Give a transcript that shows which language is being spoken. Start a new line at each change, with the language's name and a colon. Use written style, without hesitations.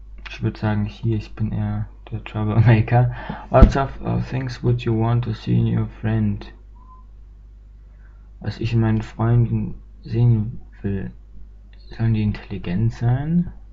German: Ich würde sagen, hier, ich bin eher der Troublemaker.
English: What sort of things would you want to see in your friend?
German: Was ich in meinen Freunden sehen will, sollen die intelligent sein?